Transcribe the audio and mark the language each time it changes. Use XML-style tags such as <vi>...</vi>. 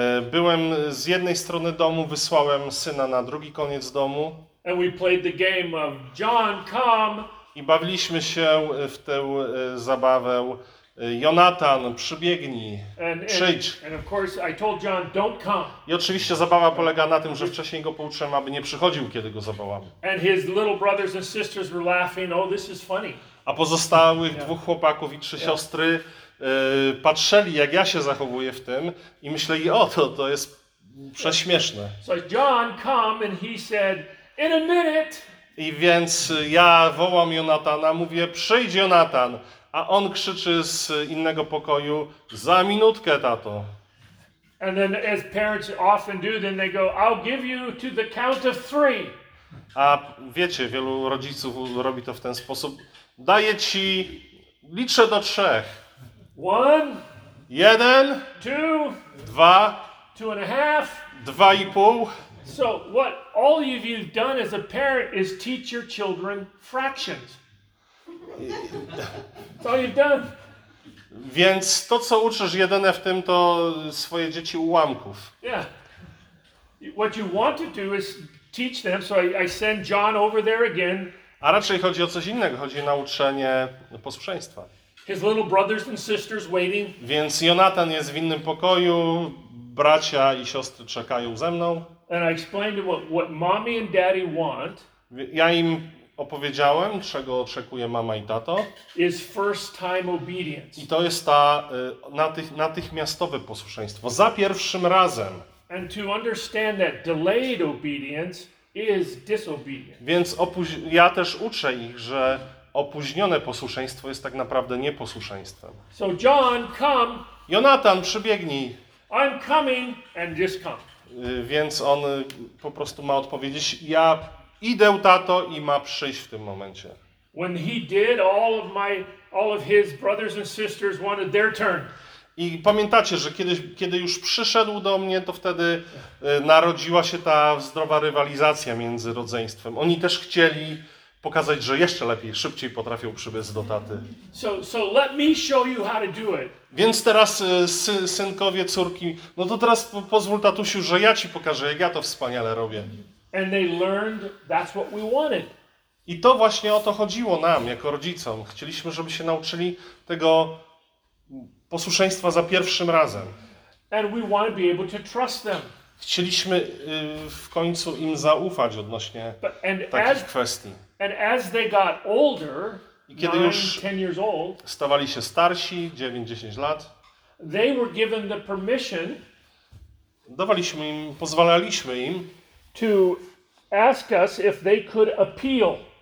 <pl>Byłem z jednej strony domu, wysłałem syna na drugi koniec domu.</pl> <en>And we played the game of John, come.</en> <pl>I bawiliśmy się w tę zabawę. Jonatan, przybiegnij, przyjdź.</pl> <en>And of course I told John, don't come.</en> <pl>I oczywiście zabawa polega na tym, że wcześniej go pouczyłem, aby nie przychodził, kiedy go zawołam.</pl> <en>And his little brothers and sisters were laughing. Oh, this is funny.</en> <pl>A pozostałych dwóch chłopaków i trzy siostry patrzeli, jak ja się zachowuję w tym i myśleli, o to jest prześmieszne.</pl> <en>So John come and he said, in a minute.</en> <pl>I więc ja wołam Jonatana, mówię, przyjdź Jonatan, a on krzyczy z innego pokoju, za minutkę, tato.</pl> <en>And then as parents often do, then they go, I'll give you to the count of three.</en> <pl>A wiecie, wielu rodziców robi to w ten sposób. Daję ci, liczę do trzech.</pl> <en>One.</en> <pl>Jeden.</pl> <en>Two.</en> <pl>Dwa.</pl> <en>Two and a half.</en> <pl>Dwa i pół.</pl> <en>So what all of you've done as a parent is teach your children fractions. That's all you've done.</en> <pl>Więc to, co uczysz jedyne w tym, to swoje dzieci ułamków.</pl> <en>Yeah. What you want to do is teach them, so I send John over there again.</en> <pl>A raczej chodzi o coś innego, chodzi o nauczenie posłuszeństwa.</pl> <en>His little brothers and sisters waiting.</en> <pl>Więc Jonatan jest w innym pokoju, bracia i siostry czekają ze mną.</pl> <en>And I explained to what mommy and daddy want.</en> <pl>Ja im opowiedziałem, czego oczekuje mama i tato.</pl> <en>Is first time obedience.</en> <pl>I to jest ta natychmiastowe posłuszeństwo za pierwszym razem.</pl> <en>And to understand that delayed obedience is disobedience.</en> <pl>Więc ja też uczę ich, że opóźnione posłuszeństwo jest tak naprawdę nieposłuszeństwem.</pl> <en>So John, come.</en> <pl>Jonatan, przybiegnij.</pl> <en>I'm coming and just come.</en> <pl>Więc on po prostu ma odpowiedzieć, ja idę, tato, i ma przyjść w tym momencie.</pl> <en>When he did, all of his brothers and sisters wanted their turn.</en> <pl>I pamiętacie, że kiedy już przyszedł do mnie, to wtedy narodziła się ta zdrowa rywalizacja między rodzeństwem. Oni też chcieli pokazać, że jeszcze lepiej, szybciej potrafią przybiec do taty.</pl> <en>So let me show you how to do it.</en> <pl>Więc teraz synkowie, córki, no to teraz pozwól, tatusiu, że ja ci pokażę, jak ja to wspaniale robię.</pl> <en>And they learned that's what we wanted.</en> <pl>I to właśnie o to chodziło nam, jako rodzicom. Chcieliśmy, żeby się nauczyli tego posłuszeństwa za pierwszym razem.</pl> <en>And we want to be able to trust them.</en> <pl>Chcieliśmy w końcu im zaufać odnośnie takich kwestii.</pl> <en>And as they got older,</en> <pl>i kiedy</pl> <en>9,</en> <pl>już stawali się starsi, 9-10 lat,</pl> <en>they were given the permission,</en> <pl>dawaliśmy im, pozwalaliśmy im</pl> <en>to ask us if they could appeal.</en>